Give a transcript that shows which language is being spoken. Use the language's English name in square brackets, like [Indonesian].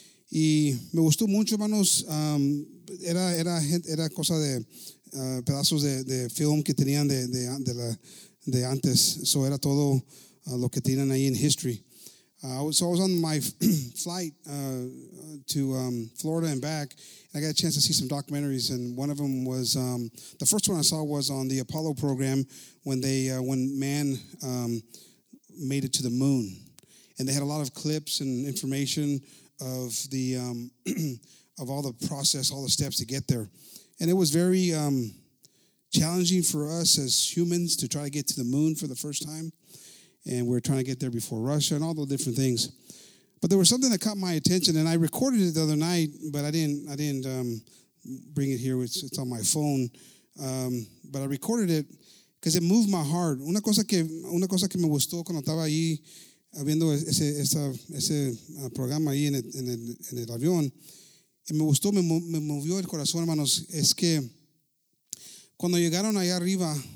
[Spanish] Y me gustó mucho, hermanos, era cosa de pedazos de film que tenían de antes. So era todo lo que tienen ahí en history. [English] So I was on my flight to Florida and back. And I got a chance to see some documentaries, and one of them was, the first one I saw was on the Apollo program when man made it to the moon. And they had a lot of clips and information of the of all the process, all the steps to get there. And it was very challenging for us as humans to try to get to the moon for the first time. And we're trying to get there before Russia and all the different things. But there was something that caught my attention, and I recorded it the other night, but I didn't bring it here. It's on my phone. But I recorded it because it moved my heart. [Spanish] Una cosa que me gustó cuando estaba ahí viendo ese programa ahí en el avión, y me gustó, me movió el corazón, hermanos, es que cuando llegaron ahí arriba,